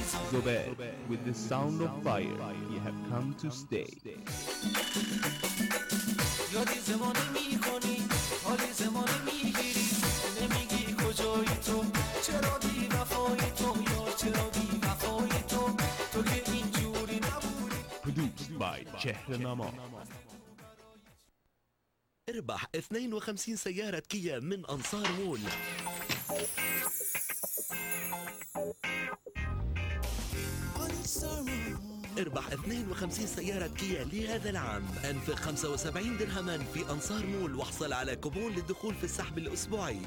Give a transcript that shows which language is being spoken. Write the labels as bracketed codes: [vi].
[en] Zubair, with the sound of fire, you have come to stay. [fa] یادی زمانی میکنی، حالی زمانی میگیری، نمیگی کجای تو، چرا بی وفای تو، یا چرا بی وفای تو، تو که اینجوری نبودی. [en] Produced by چهره نما. [ar] اربح 52 سيارة كيا من انصار مول. اربح 52 سيارة كيا لهذا العام، انفق 75 درهما في انصار مول واحصل على كوبون للدخول في السحب الاسبوعي.